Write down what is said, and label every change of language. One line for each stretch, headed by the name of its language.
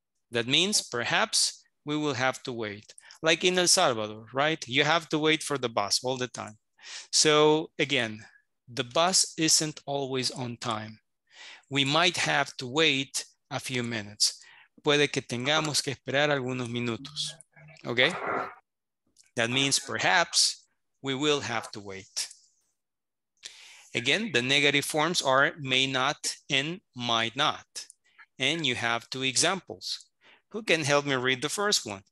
English: That means perhaps we will have to wait. Like in El Salvador, right? You have to wait for the bus all the time. So again, the bus isn't always on time. We might have to wait a few minutes.
Spanish: Puede que tengamos que esperar algunos minutos, okay?
English: That means perhaps we will have to wait. Again, the negative forms are may not and might not. And you have two examples. Who can help me read the first one?